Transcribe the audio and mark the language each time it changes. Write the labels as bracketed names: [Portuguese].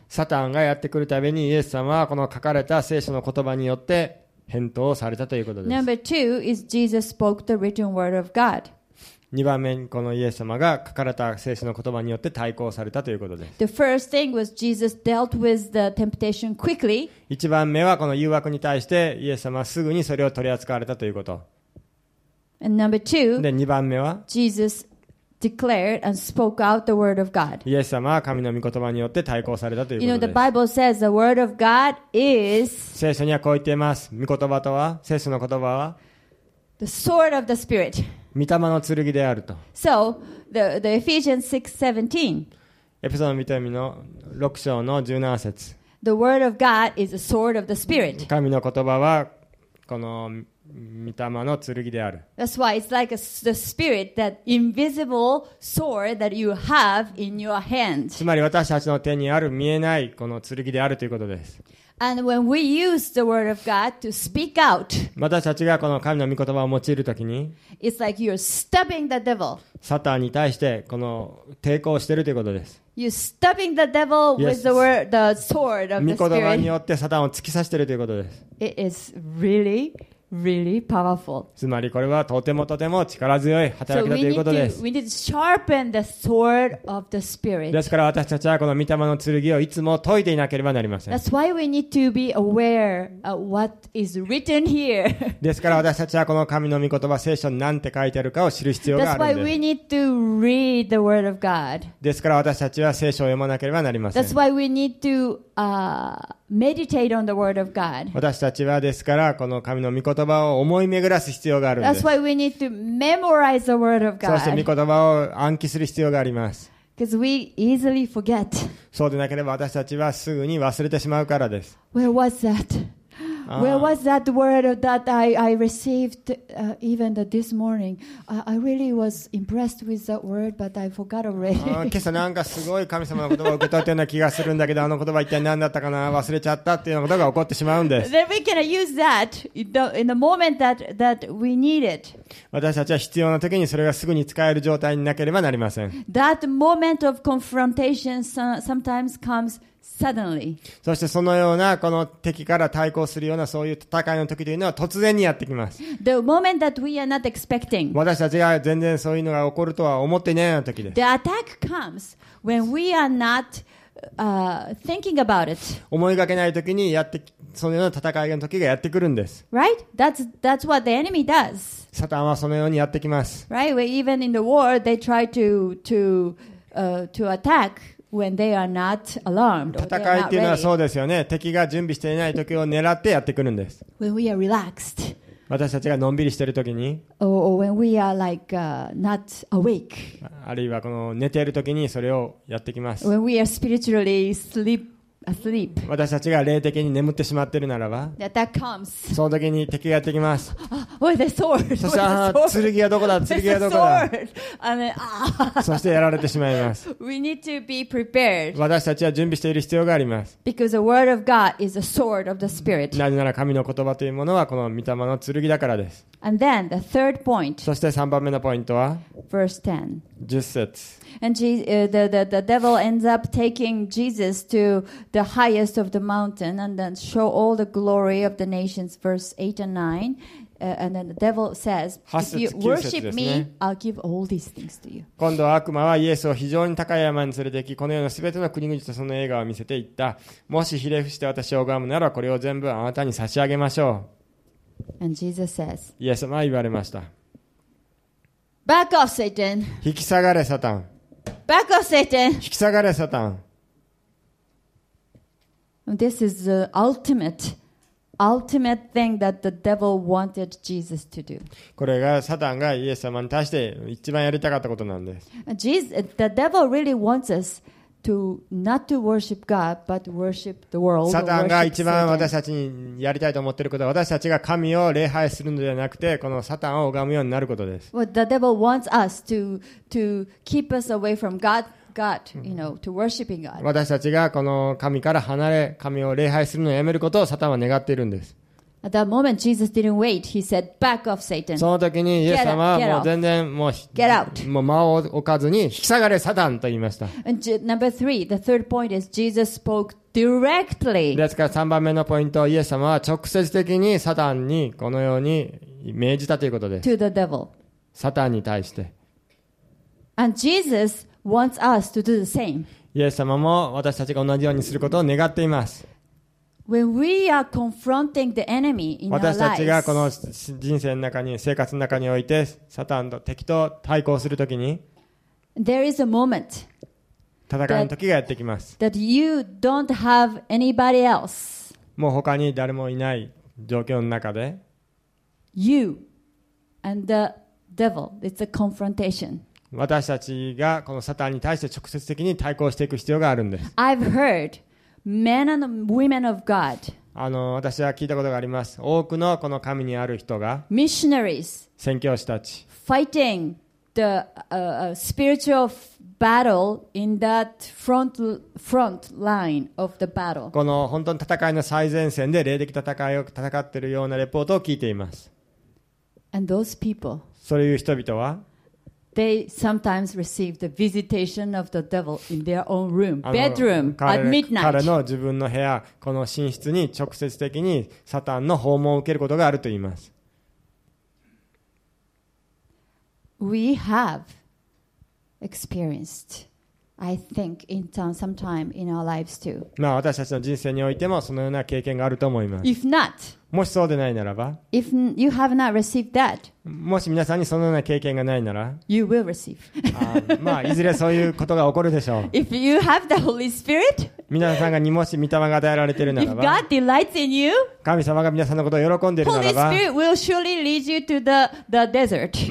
[Japanese] サタンがやってくるたびに、イエス様はこの書かれた聖書の言葉によって返答をされたということです。 [English] Number two is Jesus spoke the written word of God. [Japanese] 2番目にこのイエス様が書かれた聖書の言葉によって対抗されたということです。 [English] The first thing was Jesus dealt with the temptation quickly. [Japanese] 1番目はこの誘惑に対してイエス様はすぐにそれを取り扱われたということ。 [English] And number two, [Japanese] で2番目は [English] Jesus declared and spoke out the word of God. [Japanese] イエス様は神の御言葉によって対抗されたということです。 [English] You know, the Bible says the word of God is [Japanese] 聖書にはこう言っています。御言葉とは、聖書の言葉は [English] The sword of the Spirit. [Japanese] 御霊の剣であると。 [English] So, the Ephesians 6:17. [Japanese] エペソの御手紙の6章の17節。 [English] The word of God is a sword of the Spirit. [Japanese] 神の言葉はこの御霊の剣である。 [English] That's why it's like the Spirit, that invisible sword that you have in your hand. [Japanese] つまり私たちの手にある見えないこの剣であるということです。 [English] And when we use the word of God to speak out, [Japanese] 私たちがこの神の御言葉を用いるときに、 [English] it's like you're stabbing the devil. [Japanese] サタンに対してこの抵抗しているということです。 [English] You're stabbing the devil with the word, the sword of the Spirit. [Japanese] 御言葉によってサタンを突き刺しているということです。 [English] It is really, really powerful. [Japanese] つまりこれはとてもとても力強い働きだということです。 [English] So we need to sharpen the sword of the Spirit. [Japanese] ですから私たちはこの御霊の剣をいつも研いでいなければなりません。 [English] That's why we need to be aware of what is written here. [Japanese] ですから私たちはこの神の御言葉聖書に何て書いてあるかを知る必要があるんです。 [English] That's why we need to read the word of God. [Japanese] ですから私たちは聖書を読まなければなりません。 [English] That's why we need to meditate on the word of God. [Japanese] 私たちはですからこの神の御言葉葉を思い巡らす必要があるんです。 [English] That's why we need to memorize the word of God. [Japanese] そして御言葉を暗記する必要があります。 [English] Because we easily forget. [Japanese] そうでなければ私たちはすぐに忘れてしまうからです。 [English] Where was that? Where was that word that I received even this morning? I really was impressed with that word, but I forgot already. [Japanese] 今朝なんかすごい神様の言葉を受け取ったような気がするんだけど、あの言葉一体何だったかな、忘れちゃったっていうようなことが起こってしまうんです。 [English] Then we can use that in the moment that we need it. [Japanese] 私たちは必要な時にそれがすぐに使える状態になければなりません。 [English] That moment of confrontation sometimes comes. Suddenly. [Japanese] そしてそのようなこの敵から対抗するようなそういう戦いの時というのは突然にやってきます。 [English] The moment that we are not expecting. [Japanese] 私たちが全然そういうのが起こるとは思っていないような時です。 [English] The attack comes when we are not thinking about it. [Japanese] 思いがけない時にやってそのような戦いの時がやってくるんです。 [English] Right? That's what the enemy does. [Japanese] サタンはそのようにやってきます。 [English] Right? Where even in the war they try to attack. When they are not alarmed, [Japanese] 戦いっていうのはそうですよね。敵が準備していない時を狙ってやってくるんです。 [English] When we are relaxed, [Japanese] 私たちがのんびりしている時に、 [English] or when we are like not awake, [Japanese] あるいはこの寝ている時にそれをやってきます。 [English] When we are spiritually asleep, [Japanese] 私たちが霊的に眠ってしまっているならば、 [English] the attack comes. [Japanese] その時に敵がやってきます。 [English] Oh, the sword. [Japanese] そして、剣はどこだ？剣はどこだ？ [English] I mean, [Japanese] そしてやられてしまいます。 [English] We need to be prepared. [Japanese] 私たちは準備している必要があります。 [English] Because the word of God is a sword of the spirit. [Japanese] なぜなら神の言葉というものはこの御霊の剣だからです。 [English] And then the third point. [Japanese] そして3番目のポイントは、 [English] verse [Japanese] 10. 10節。 [English] And the devil ends up taking Jesus to the highest of the mountain and then show all the glory of the nations. Verse 8 and 9. And then the devil says, if you worship me, I'll give all these things to you. [Japanese] 今度は悪魔はイエスを非常に高い山に連れて行き、この世のすべての国々とその栄華を見せていった。もしひれ伏して私を拝むなら、これを全部あなたに差し上げましょう。 [English] And Jesus says, [Japanese] イエス様は言われました。 [English] Back off, Satan! [Japanese] 引き下がれ、サタン。 [English] Back off, Satan. [Japanese] 引き下がれサタン。 [English] This is the ultimate thing that the devil wanted Jesus to do. [Japanese] これがサタンがイエス様に対して一番やりたかったことなんです。 [English] The devil really wants us to not to worship God but worship the world. [Japanese] サタンが一番私たちにやりたいと思っていることは、私たちが神を礼拝するのではなくて、このサタンを拝むようになることです。 [English] Well, the devil wants us to keep us away from God, you know, to worshiping God. [Japanese] 私たちがこの神から離れ、神を礼拝するのをやめることをサタンは願っているんです。 [English] At that moment, Jesus didn't wait. He said, "Back off, Satan." [Japanese] その時にイエス様はもう全然もう [English] get out. [Japanese] もう間を置かずに引き下がれサタンと言いました。 [English] Number three, the third point is Jesus spoke directly. [Japanese] ですから3番目のポイント、イエス様は直接的にサタンにこのように命じたということです。 [English] To the devil. [Japanese] サタンに対して。 [English] And Jesus wants us to do the same. [Japanese] イエス様も私たちが同じようにすることを願っています。 [English] When we are confronting the enemy in our lives, [Japanese] 私たちがこの人生の中に生活の中においてサタンと敵と対抗するときに、 [English] there is a moment [Japanese] 戦いの時がやってきます。 [English] That you don't have anybody else. [Japanese] もう他に誰もいない状況の中で、 [English] you and the devil, it's a confrontation. [Japanese] 私たちがこのサタンに対して直接的に対抗していく必要があるんです。 [English] I've heard. Men and women of God. [Japanese] 私は聞いたことがあります。多くのこの神にある人が、 [English] missionaries、 [Japanese] 宣教師たち、 [English] fighting the spiritual battle in that front line of the battle。 [Japanese] この本当に戦いの最前線で霊的戦いを戦っているようなレポートを聞いています。 [English] And those people。 [Japanese] そういう人々は。 [English] They sometimes receive the visitation of the devil in their own room, bedroom at midnight. [Japanese] 彼の自分の部屋、この寝室に直接的にサタンの訪問を受けることがあると言います。 [English] We have experienced, I think, in sometime in our lives too. [Japanese] まあ私たちの人生においてもそのような経験があると思います。 [English] If not. [Japanese] もしそうでないならば、 [English] If you have not received that, [Japanese] もし皆さんにそのような経験がないなら、 [English] you will receive. [Japanese] まあ、いずれそういうことが起こるでしょう。 [English] If you have the Holy Spirit, [Japanese] 皆さんがにもし御霊が与えられているならば、 [English] If God delights in you, [Japanese] 神様が皆さんのことを喜んでいるならば、 [English] Holy Spirit will surely lead you to the desert.